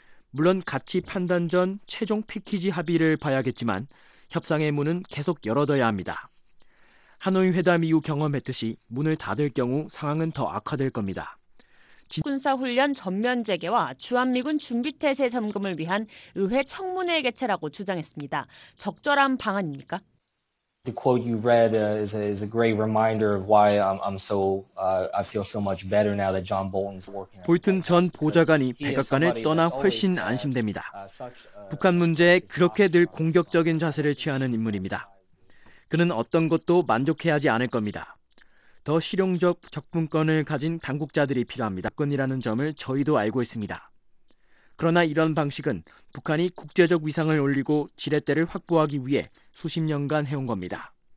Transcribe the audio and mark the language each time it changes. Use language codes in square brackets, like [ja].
[ko] 물론 가치 판단 전 최종 패키지 합의를 봐야겠지만 협상의 문은 계속 열어둬야 합니다. 하노이 회담 이후 경험했듯이 문을 닫을 경우 상황은 더 악화될 겁니다. 군사훈련 전면 재개와 주한미군 준비태세 점검을 위한 의회 청문회 개최라고 주장했습니다. 적절한 방안입니까? [en] The quote you read is a great reminder of why I feel so much better now that John Bolton's working. [ko] 볼튼 전 보좌관이 백악관을 떠나 훨씬 안심됩니다. 북한 문제에 그렇게 늘 공격적인 자세를 취하는 인물입니다. 그는 어떤 것도 만족해하지 않을 겁니다. 더 실용적 접근권을 가진 당국자들이 필요합니다. 권이라는 점을 저희도 알고 있습니다. 그러나 이런 방식은 북한이 국제적 위상을 올리고 지렛대를 확보하기 위해 수십 년간 해온 겁니다.